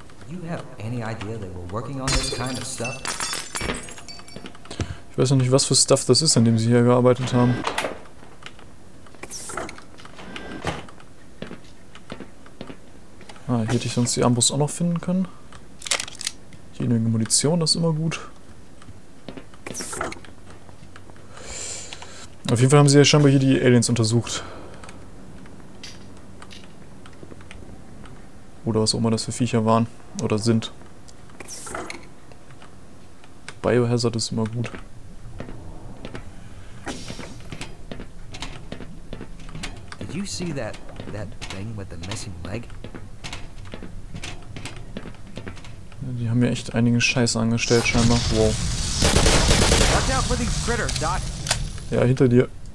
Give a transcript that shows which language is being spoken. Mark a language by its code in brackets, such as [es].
[en] You have any idea they were working on this kind of stuff? [de] Ich weiß noch nicht, was für Stuff das ist, an dem sie hier gearbeitet haben. Ah, hier hätte ich sonst die Armbrust auch noch finden können. Hier eine Munition, das ist immer gut. Auf jeden Fall haben sie ja scheinbar hier die Aliens untersucht. Oder was auch immer das für Viecher waren oder sind. Biohazard ist immer gut. [en] You see that thing with the missing leg? [de] Die haben mir echt einigen Scheiß angestellt, scheinbar. Wow. [en] Watch out! out for these critters, Doc. [de] Ja, hinter dir.